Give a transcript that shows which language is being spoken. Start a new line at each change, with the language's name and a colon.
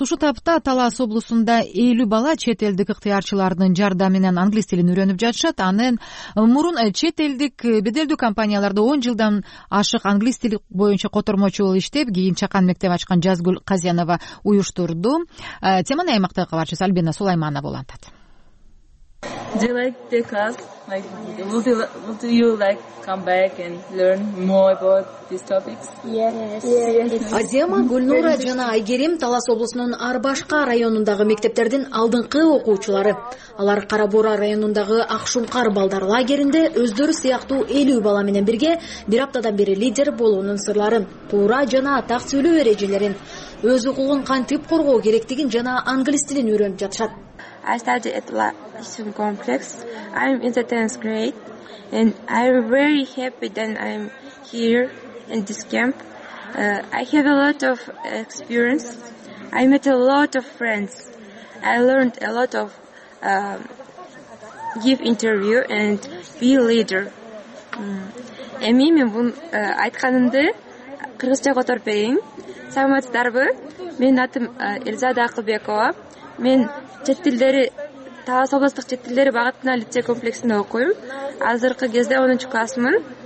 Kyrgyz: Ушул тапта Талас облусунда 50 бала чет элдик ыктыярчылардын жардамы менен англис тилин үйрөнүп жатышат. Анын мурун чет элдик беделдүү компанияларда 10 жылдан ашык англис тили боюнча котормочу болуп иштеп, кийин чакан мектеп ачкан Жазгүл Казянова уюштурду. Теманын аймактагы кабарчысы Альбина Сулайманова улантат.
English: Do you like the class? Like, would you like come back and learn more about these topics? Yes.
Kyrgyz: Азема Гүлнура жана Айгерим Талас облусунун Арбашка районундагы мектептердин алдыңкы окуучулары. Алар Карабура районундагы Акшумкар балдар лагеринде өздөрү сыяктуу 50 бала менен бирге бир аптадан бери лидер болуунун сырларын, туура жана так сүйлөө эрежелерин, өз укугун кантип коргоо керектигин жана англис тилин үйрөнүп жатышат.
English: I study at Lasham Complex. I'm in the 10th grade and I'm very happy that I'm here in this camp. I have a lot of experience. I met a lot of friends. I learned a lot of give interview and be leader.
Kyrgyz: Эми бун айтканымды кыргызча которуп берейин. Саламатсыздарбы? Менин атым Элзада Акылбекова. Мен чет тилдери Талас областык чет тилдери багытына лицей комплексинде окуйм. Азыркы кезде 10-чу классмын.